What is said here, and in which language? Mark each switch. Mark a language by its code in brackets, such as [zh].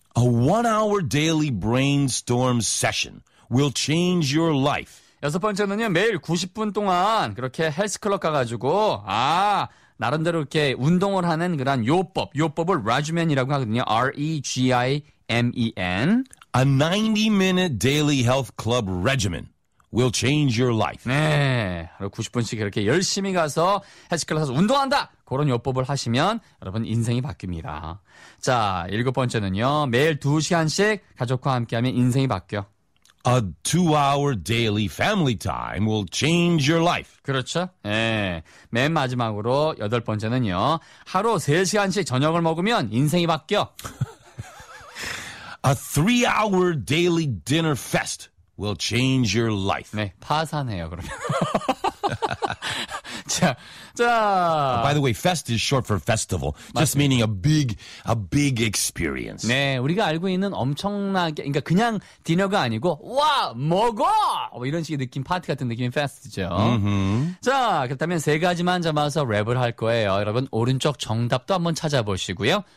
[en] A one-hour daily brainstorm session will change your life. [ko] 여섯 번째는요. 매일 90분 동안 그렇게 헬스클럽 가가지고 아... 나름대로 이렇게 운동을 하는 그런 요법, 요법을 regimen이라고 하거든요. [en] R-E-G-I-M-E-N. A 90-minute daily health club regimen will change your life. [ko] 네, 하루 90분씩 이렇게 열심히 가서 헬스클럽에서 운동한다! 그런 요법을 하시면 여러분 인생이 바뀝니다. 자, 일곱 번째는요. 매일 2시간씩 가족과 함께하면 인생이 바뀌어. [en] A 2-hour daily family time will change your life. [ko] 그렇죠. 예. 맨 마지막으로 여덟 번째는요. 하루 3시간씩 저녁을 먹으면 인생이 바뀌어. [en] A 3-hour daily dinner fest will change your life. [ko] 네. 파산해요, 그러면. 자, 자. [en] By the way, fest is short for festival. [ko] 맞습니다. [en] Just meaning a big experience. [ko] 네, 우리가 알고 있는 엄청나게, 그러니까 그냥 디너가 아니고, 와, 먹어! 뭐 이런 식의 느낌, 파티 같은 느낌의 fest죠. Mm-hmm. 자, 그렇다면 세 가지만 잡아서 랩을 할 거예요. 여러분, 오른쪽 정답도 한번 찾아보시고요.